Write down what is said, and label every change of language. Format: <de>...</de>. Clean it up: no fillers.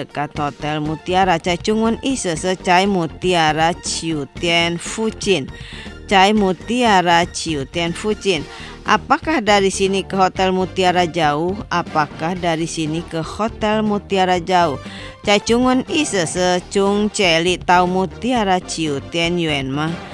<id>Di dekat Hotel Mutiara,</id> <zh>在中文意思是在 Mutiara 酒店附近，在 Mutiara 酒店附近。</zh> <id>Apakah dari sini ke Hotel Mutiara jauh?</id> <zh>在中文意思是从这里到 Mutiara 酒店远吗？</zh>